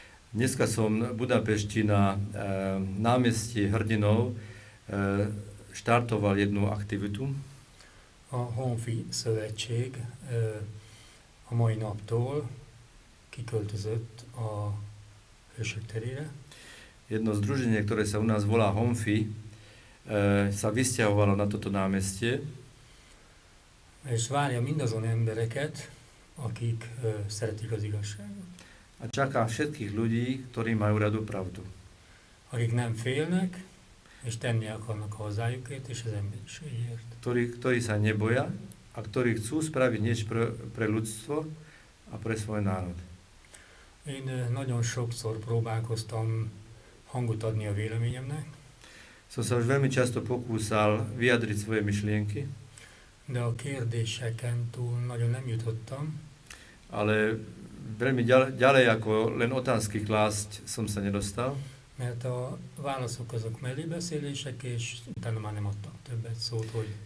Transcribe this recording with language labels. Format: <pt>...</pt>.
<sk>Dneska som budapešti na námestí Hrdinov štartoval jednu aktivitu.</sk> <hu>A Honfi szövetség a mai naptól kiköltözött a Hősök terére.</hu> <sk>Jedno združenie, ktoré sa u nás volá Honfi, sa vysťahovalo na toto námestie.</sk> <hu>És várja mindazon embereket, akik szeretik az igazságot.</hu> <sk>A csaká všetkých ľudí, ktorí majú radu pravdu.</sk> <hu>Akik nem félnek, és tenni akarnak hazájukért és az emberiségért.</hu> <sk>Ktorí sa neboja, a ktorí chcú spraviť niečo pre ľudstvo a pre svoj národ.</sk> <hu>Én nagyon sokszor próbálkoztam hangot adni a véleményemnek.</hu> <sk>Som sa už veľmi často pokúsal vyjadriť svoje myšlienky.</sk> <hu>De a kérdéseken túl nagyon nem jutottam.</hu> <sk>Ale veľmi ďalej ako len otázky klásť som sa nedostal.</sk> <hu>Mert a válaszok azok mellébeszélések, és utána már nem adtam többet szót, hogy...</hu>